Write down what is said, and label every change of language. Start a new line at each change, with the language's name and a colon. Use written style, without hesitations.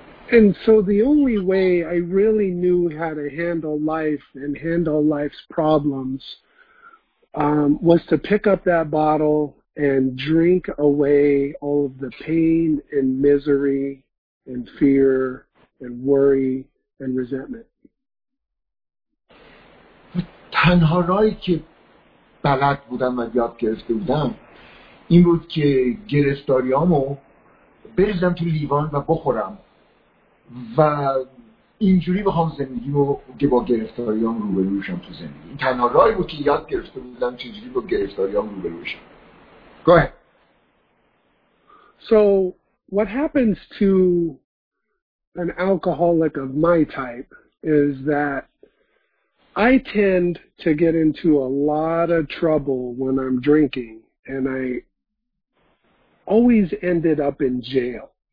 English: And so the only way I really knew how to handle life and handle life's problems was to pick up that bottle and drink away all of the pain and misery and fear and worry and resentment.
Persian: تنها راهی که بلد بودم و یاد گرفته بودم این بود که گرفتاریامو بریزم تو لیوان و بخورم و اینجوری بخوام زندگی رو که با گرفتاریام روبرو بشم تو زندگی. این تنها راهی بود که یاد گرفته بودم چجوری با گرفتاریام روبرو بشم.
English: Go ahead. So what happens to an alcoholic of my type is that I tend to get into a lot of trouble when I'm drinking, and I always ended up in jail.